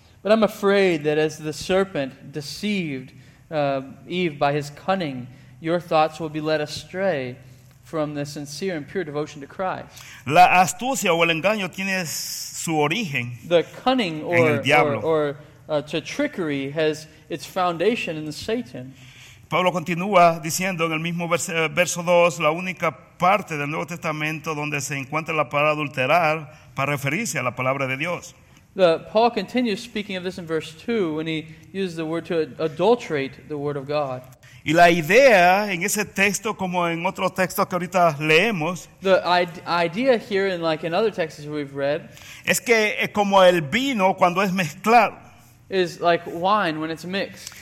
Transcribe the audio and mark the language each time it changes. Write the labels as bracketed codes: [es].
[en] But I'm afraid that as the serpent deceived Eve by his cunning, your thoughts will be led astray from the sincere and pure devotion to Christ. [es] La astucia o el engaño tiene su origen en el diablo. [en] To trickery has its foundation in Satan. [es] Pablo continúa diciendo en el mismo verso 2, la única parte del Nuevo Testamento donde se encuentra la palabra adulterar para referirse a la palabra de Dios. [en] Paul continues speaking of this in verse 2 when he uses the word to adulterate the word of God. [es] Y la idea en ese texto, como en otros textos que ahorita leemos, [en] the idea here in like in other texts we've read, [es] es que como el vino cuando es mezclado, [en] is like wine when it's mixed.